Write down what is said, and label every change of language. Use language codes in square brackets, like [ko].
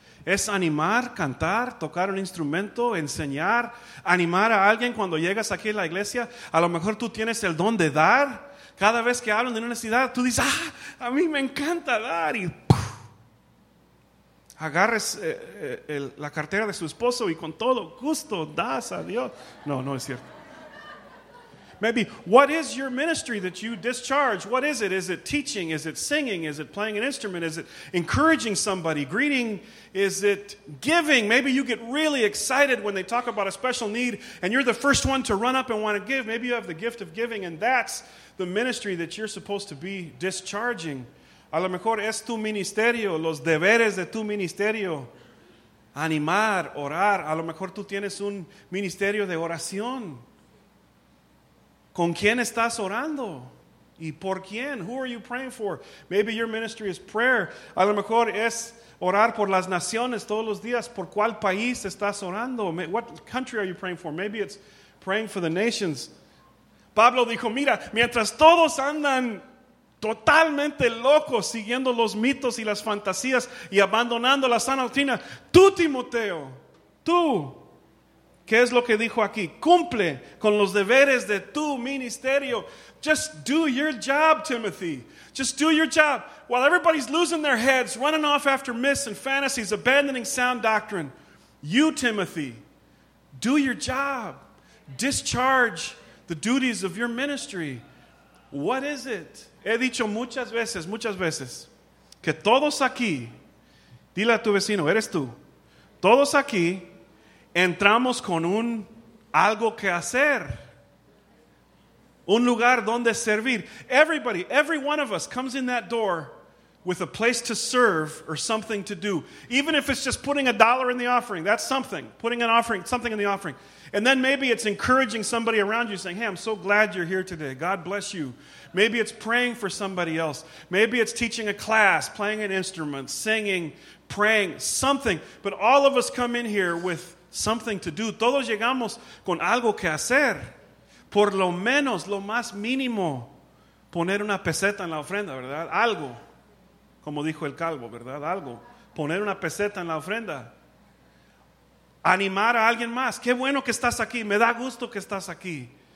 [es] ¿Es animar, cantar, tocar un instrumento, enseñar, animar a alguien cuando llegas aquí a la iglesia? A lo mejor tú tienes el don de dar. Cada vez que hablan de una necesidad, tú dices, ¡ah, a mí me encanta dar! Y agarres la cartera de su esposo y con todo gusto das a Dios. No, no es cierto. [en] Maybe, what is your ministry that you discharge? What is it? Is it teaching? Is it singing? Is it playing an instrument? Is it encouraging somebody? Greeting? Is it giving? Maybe you get really excited when they talk about a special need and you're the first one to run up and want to give. Maybe you have the gift of giving and that's the ministry that you're supposed to be discharging. [es] A lo mejor es tu ministerio, los deberes de tu ministerio. Animar, orar. A lo mejor tú tienes un ministerio de oración. ¿Con quién estás orando? ¿Y por quién? [en] Who are you praying for? Maybe your ministry is prayer. [es] A lo mejor es orar por las naciones todos los días. ¿Por cuál país estás orando? [en] What country are you praying for? Maybe it's praying for the nations. [es] Pablo dijo, mira, mientras todos andan totalmente locos siguiendo los mitos y las fantasías y abandonando la sana doctrina, tú, Timoteo, tú, ¿qué es lo que dijo aquí? Cumple con los deberes de tu ministerio. [en] Just do your job, Timothy. Just do your job. While everybody's losing their heads, running off after myths and fantasies, abandoning sound doctrine, you, Timothy, do your job. Discharge the duties of your ministry. What is it? [es] He dicho muchas veces, que todos aquí, dile a tu vecino, eres tú, todos aquí, entramos con un algo que hacer, un lugar donde servir. [en] Everybody, every one of us comes in that door with a place to serve or something to do. Even if it's just putting a dollar in the offering, that's something. Putting an offering, something in the offering. And then maybe it's encouraging somebody around you saying, hey, I'm so glad you're here today. God bless you. Maybe it's praying for somebody else. Maybe it's teaching a class, playing an instrument, singing, praying, something. But all of us come in here with something to do. [es] Todos llegamos con algo que hacer. Por lo menos, lo más mínimo, poner una peseta en la ofrenda, ¿verdad? Algo. Como dijo el calvo, ¿verdad? Algo. Poner una peseta en la ofrenda. Animar a alguien más. Qué bueno que estás aquí. Me da gusto que estás aquí.